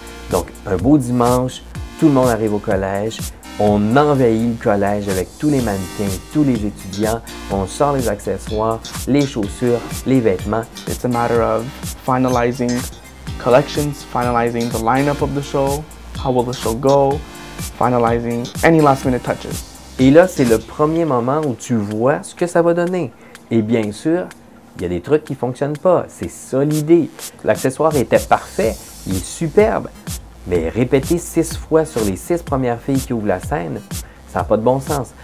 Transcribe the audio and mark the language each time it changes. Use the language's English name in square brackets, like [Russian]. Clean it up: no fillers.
[French] Donc, un beau dimanche, tout le monde arrive au collège, on envahit le collège avec tous les mannequins, tous les étudiants, on sort les accessoires, les chaussures, les vêtements. [English] It's a matter of finalizing collections, finalizing the lineup of the show, how will the show go, finalizing any last minute touches. [French] Et là, c'est le premier moment où tu vois ce que ça va donner. Et bien sûr, il y a des trucs qui ne fonctionnent pas. C'est ça l'idée. L'accessoire était parfait. Il est superbe. Mais répéter 6 fois sur les 6 premières filles qui ouvrent la scène, ça n'a pas de bon sens.